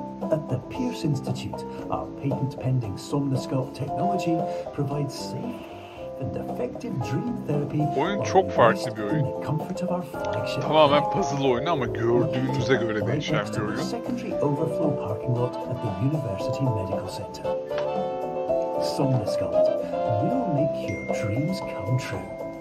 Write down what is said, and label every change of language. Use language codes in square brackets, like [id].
[en] At the Pierce Institute, our patent pending somnoscope technology provides safe and effective dream therapy. [tr] Oyun çok farklı bir oyun. Tamamen puzzle oyunu ama gördüğünüze göre değişen bir oyun. [en] Secondary overflow parking lot at the University Medical Center. Somnoscope will make your dreams come true.